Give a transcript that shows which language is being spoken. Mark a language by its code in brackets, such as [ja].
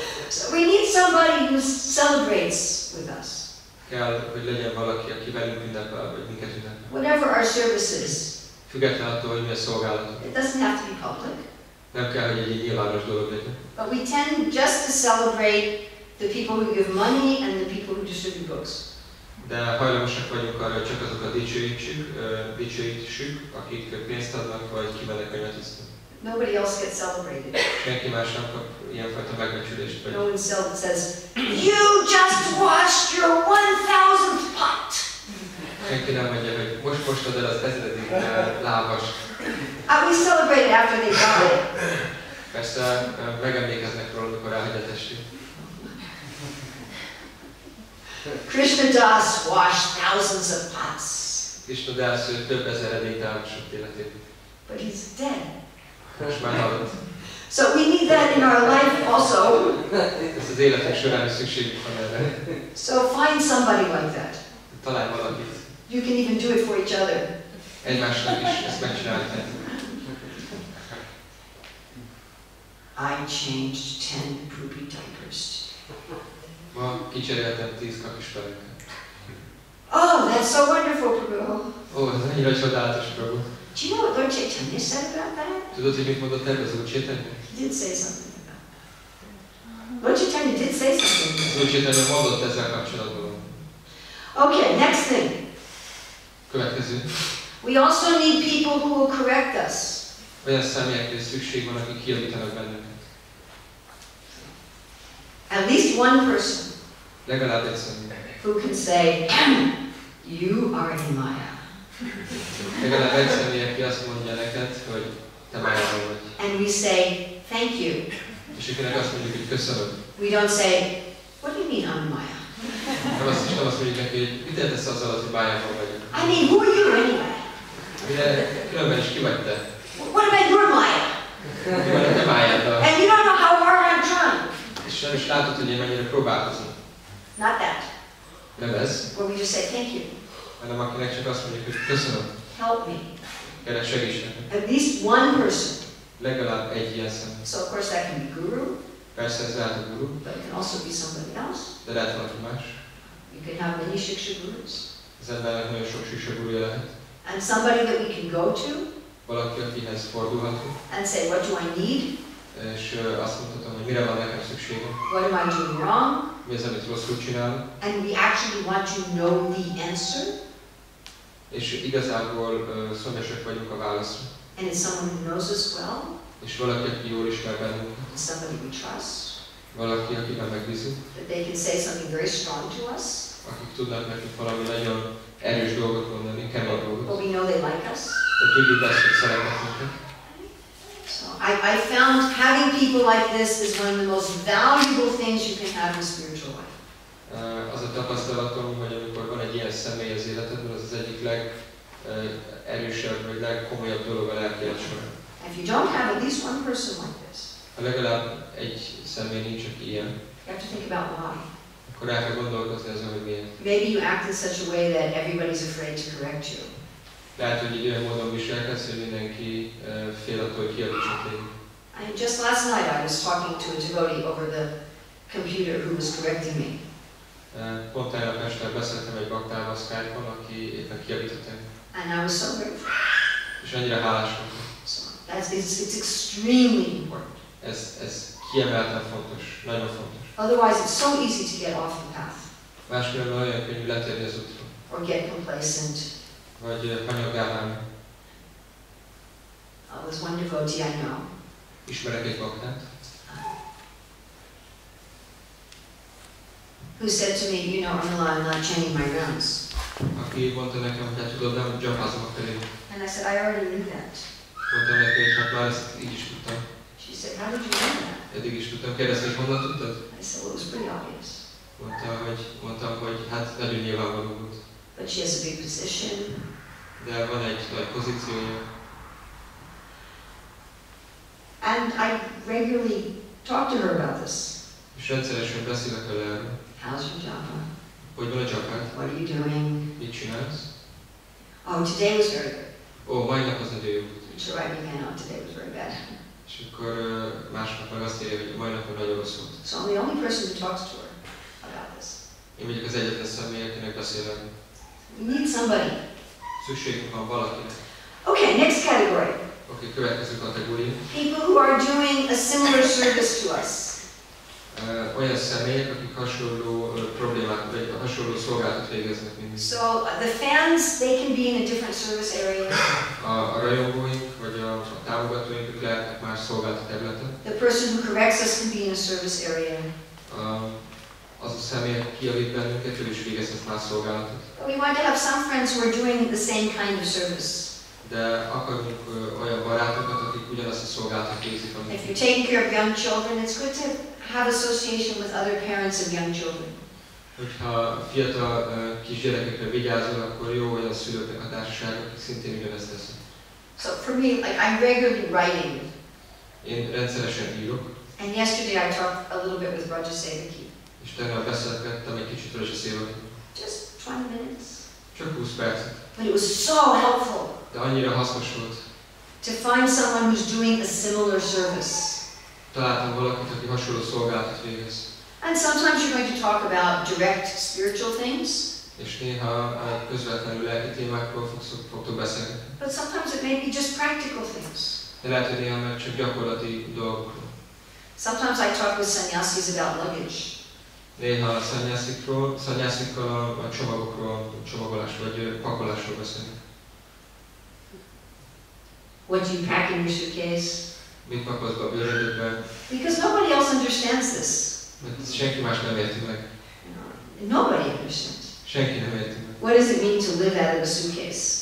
[en] So we need somebody who celebrates with us. [hu] Kell, hogy legyen valaki, aki velünk ünnepel, vagy minket ünnepel. [en] Whatever our services. [hu] Függetlenül attól, hogy mi a szolgálatunk. [en] It doesn't have to be public. [hu] Nem kell, hogy egy nyilvános dolog legyen. [en] But we tend just to celebrate the people who give money and the people who distribute books. [hu] De hajlamosak vagyunk arra, csak azok a dicsőítsük, akik pénzt adnak, vagy kivennek a nyilatisztát. [en] Nobody else gets celebrated. [hu] Senki más nem kap ilyenfajta megbecsülést. [en] No one self says, you just washed your 1,000th pot. [hu] Senki nem mondja, hogy most mostod el az 1000. lábas. [en] We celebrate after they die. [hu] Persze megemlékeznek róla, amikor elhagyatessék. [en] Krishna das washed thousands of pots. [hu] Krishna das több ezer edényt elmosott életét. [en] But he's dead. So we need that in our life also. [hu] Ez az életünk során is szükségünk van erre. [en] So find somebody like that. [hu] Találj valakit. [en] You can even do it for each other. [hu] Egymásnak is ezt megcsinálhatjátok. [en] I changed 10 poopy diapers. [hu] Ma kicseréltem 10 kakis pelenkát. [en] Oh, that's so wonderful, Prabhu. [hu] Oh, ez annyira csodálatos, Prabhu. [en] Do you know what Lord Chaitanya said about that? [hu] Tudod, hogy mit mondott erről az Úr Chaitanya? [en] He did say something about that. Lord Chaitanya did say something. [hu] Az Úr Chaitanya mondott ezzel kapcsolatban. [en] Okay, next thing. [hu] Következő. [en] We also need people who will correct us. [hu] Olyan személyekre szükség van, akik kijavítanak bennünket. [en] At least one person. [hu] Legalább egy személy. [en] Who can say, you are in Maya. [hu] Legalább egy személy, aki azt mondja neked, hogy te Maya vagy. [en] And we say, thank you. [hu] És akinek azt mondjuk, hogy köszönöm. [en] We don't say, what do you mean I'm Maya? [hu] Nem azt, nem azt mondjuk neki, hogy mit értesz azzal, hogy Maya vagy. [en] I mean, who are you anyway? [hu] De különben is ki vagy te? [en] What about your Maya? [hu] Te Maya. [en] And you don't know how hard I'm trying. [hu] És nem is látod, hogy én mennyire próbálkozom. [en] Not that. [hu] Nem ez. [en] Or we just say thank you. [hu] Hanem akinek csak azt mondjuk, hogy köszönöm. [en] Help me. [hu] Kérlek, segíts nekem. [en] At least one person. [hu] Legalább egy ilyen személy. [en] So of course that can be guru. [hu] Persze ez lehet a guru. [en] But it can also be somebody else. [hu] De lehet valaki más. [en] You can have many shiksha gurus. [hu] Az embernek nagyon sok shiksha gurúja lehet. [en] And somebody that we can go to. [hu] Valaki, akihez fordulhatunk. [en] And say, what do I need? [hu] És azt mondhatom, hogy mire van nekem szükségem. [en] What am I doing wrong? [hu] Mi az, amit rosszul csinálok? [en] And we actually want to know the answer. [hu] És igazából szomjasak vagyunk a válaszra. [en] And is someone who knows us well. [hu] És valaki, aki jól ismer bennünk. [en] Somebody we trust. [hu] Valaki, akiben megbízunk. [en] That they can say something very strong to us. [hu] Akik tudnak nekünk valami nagyon erős dolgot mondani, kemény dolgot. [en] But we know they like us. [hu] De tudjuk azt, hogy szeretnek minket. [en] I found having people like this is one of the most valuable things you can have in spiritual life. [hu] Az a tapasztalatom, hogy amikor van egy ilyen személy az életedben, az az egyik legerősebb, vagy legkomolyabb dolog a lelki életben. [en] If you don't have at least one person like this, [hu] ha legalább egy személy nincs, aki ilyen, [en] you have to think about why. [hu] Akkor el kell gondolkozni azon, hogy miért. [en] Maybe you act in such a way that everybody's afraid to correct you. [hu] Lehet, hogy így olyan módon viselkedsz, hogy mindenki fél attól, hogy kijavítsak téged. [en] And just last night I was talking to a devotee over the computer who was correcting me. [hu] Pont tegnap este beszéltem egy baktával Skype-on, aki éppen kijavított engem. [en] And I was so grateful. [hu] És annyira hálás volt. [en] So it's extremely important. [hu] Ez kiemelten fontos, nagyon fontos. [en] Otherwise it's so easy to get off the path. [hu] Máskülönben olyan könnyű letérni az útról. [en] Or get complacent. [hu] Vagy kanyogálni. [en] Oh, there's one devotee I know. [hu] Ismerek egy baktát. [en] Who said to me, you know, Urmila, I'm not changing my rounds. [hu] Aki mondta nekem, hogy tudod, nem jobbázom a felé. [en] And I said, I already knew that. [hu] Mondta neki, hogy hát már ezt így is tudtam. [en] She said, how did you know that? [hu] Eddig is tudtam. Kérdezni, hogy honnan tudtad? [en] I said, well, it was pretty obvious. [hu] Mondtam, hogy hát nagyon nyilvánvaló volt. [en] But she has a big position. [hu] De van egy nagy pozíciója. [en] And I regularly talk to her about this. [hu] És rendszeresen beszélek vele erről. [en] How's your japa? [hu] Hogy van a japád? [en] What are you doing? [hu] Mit csinálsz? [en] Oh, today was very good. [hu] Oh, mai nap az nagyon jó. [en] So I began out today was very bad. [hu] És akkor másnap meg azt írja, hogy mai nap nagyon rossz volt. [en] So I'm the only person who talks to her about this. [hu] Én vagyok az egyetlen személy, akinek beszélek. [en] We need somebody. [hu] Szükségünk van valakinek. [en] Okay, next category. [hu] Okay, következő kategória. [en] People who are doing a similar service to us. [hu] Olyan személyek, akik hasonló problémák, vagy hasonló szolgálatot végeznek mindig. [en] So the fans, they can be in a different service area. [hu] A rajongóink, vagy a támogatóink, ők lehetnek más szolgálati területen. [en] The person who corrects us can be in a service area. [hu] Az a személy, aki kijavít bennünket, ő is végezhet más szolgálatot. [en] We want to have some friends who are doing the same kind of service. [hu] De akarunk olyan barátokat, akik ugyanazt a szolgálatot végzik, amit. [en] If you're taking care of young children, it's good to have association with other parents of young children. [hu] Hogyha fiatal kisgyerekekre vigyázol, akkor jó olyan szülőknek a társaság, akik szintén ugyanezt teszik. [en] So for me, like I'm regularly writing. [hu] Én rendszeresen írok. [en] And yesterday I talked a little bit with Raja Sevaki. [hu] És tegnap beszélgettem egy kicsit Raja Sevaki. [en] Just 20 minutes. [hu] Csak 20 percet. [en] But it was so helpful. [hu] De annyira hasznos volt. [en] To find someone who's doing a similar service. [hu] találtam valakit, aki hasonló szolgálatot végez. [en] And sometimes you're going to talk about direct spiritual things. [hu] És néha közvetlenül lelki témákról fogtok beszélni. [en] But sometimes it may be just practical things. [hu] De lehet, hogy néha csak gyakorlati dolgokról. [en] Sometimes I talk with sannyasis about luggage. [hu] Néha sannyasikkal a csomagokról, a csomagolás vagy pakolásról beszélni. [en] What do you pack in your suitcase? [hu] Mit pakolsz be a bőrödben? [en] Because nobody else understands this. [hu] Mert senki más nem érti meg. [en] Nobody understands. [hu] Senki nem érti meg. [en] What does it mean to live out of a suitcase?